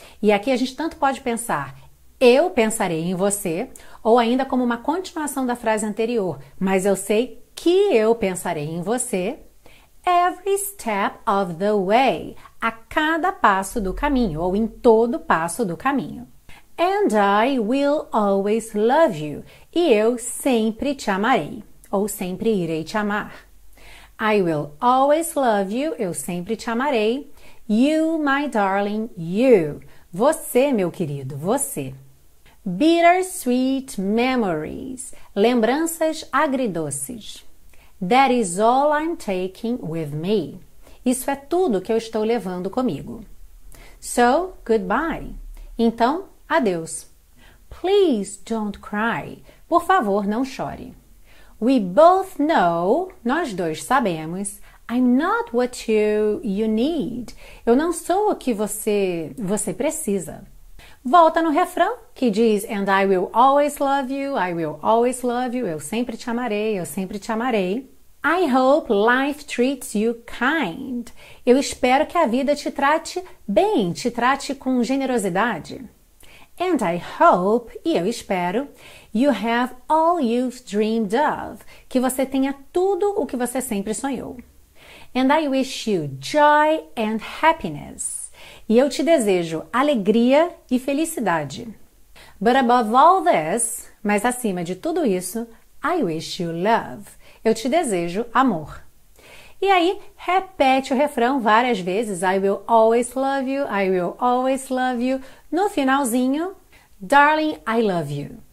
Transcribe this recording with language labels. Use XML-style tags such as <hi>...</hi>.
<pt>E aqui a gente tanto pode pensar eu pensarei em você, ou ainda como uma continuação da frase anterior, mas eu sei que eu pensarei em você.</pt> <en>Every step of the way.</en> <pt>A cada passo do caminho, ou em todo passo do caminho.</pt> <en>And I will always love you.</en> <pt>E eu sempre te amarei, ou sempre irei te amar.</pt> <en>I will always love you.</en> <pt>Eu sempre te amarei.</pt> <en>You, my darling, you.</en> <pt>Você, meu querido, você.</pt> <en>Bittersweet memories.</en> <pt>Lembranças agridoces.</pt> <en>That is all I'm taking with me.</en> <pt>Isso é tudo que eu estou levando comigo.</pt> <en>So, goodbye.</en> <pt>Então, adeus.</pt> <en>Please don't cry.</en> <pt>Por favor, não chore.</pt> <en>We both know.</en> <pt>Nós dois sabemos.</pt> <en>I'm not what you need.</en> <pt>Eu não sou o que você precisa. Volta no refrão que diz:</pt> <en>And I will always love you. I will always love you.</en> <pt>Eu sempre te amarei. Eu sempre te amarei.</pt> <en>I hope life treats you kind.</en> <pt>Eu espero que a vida te trate bem, te trate com generosidade.</pt> <en>And I hope,</en> <pt>e eu espero,</pt> <en>you have all you've dreamed of,</en> <pt>que você tenha tudo o que você sempre sonhou.</pt> <en>And I wish you joy and happiness.</en> <pt>E eu te desejo alegria e felicidade.</pt> <en>But above all this,</en> <pt>mas acima de tudo isso,</pt> <en>I wish you love.</en> <pt>Eu te desejo amor. E aí, repete o refrão várias vezes.</pt> <en>I will always love you. I will always love you.</en> <pt>No finalzinho,</pt> <en>Darling, I love you.</en>